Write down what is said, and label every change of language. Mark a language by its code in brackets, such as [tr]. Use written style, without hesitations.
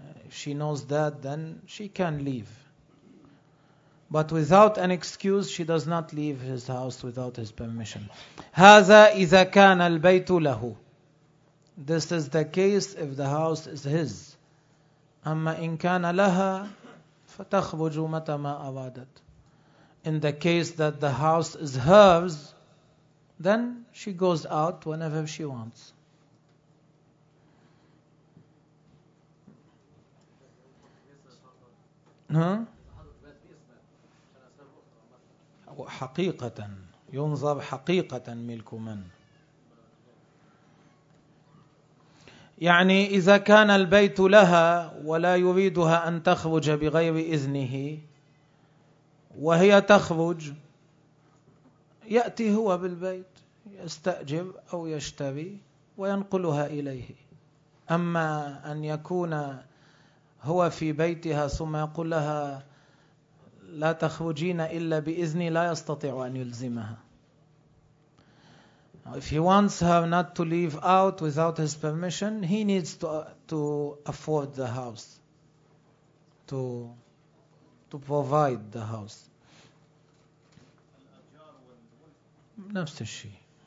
[en] She knows that, then she can leave. But without an excuse, she does not leave his house without his permission. [ar] هذا إذا كان البيت له. [en] This is the case if the house is his. [ar] أما إن كان لها فتخرج متى ما أرادت. [en] In the case that the house is hers, then she goes out whenever she wants. [ar] حقيقة ينظر حقيقة ملك من. يعني إذا كان البيت لها ولا يريدها أن تخرج بغير إذنه وهي تخرج يأتي هو بالبيت يستأجر أو يشتري وينقلها إليه. أما أن يكون هو في بيتها ثم يقول لها لا تخرجين إلا بإذني لا يستطيع أن يلزمها. [en] If he wants her not to leave out without his permission, he needs to afford the house, to provide the house. [ar] نفس الشيء.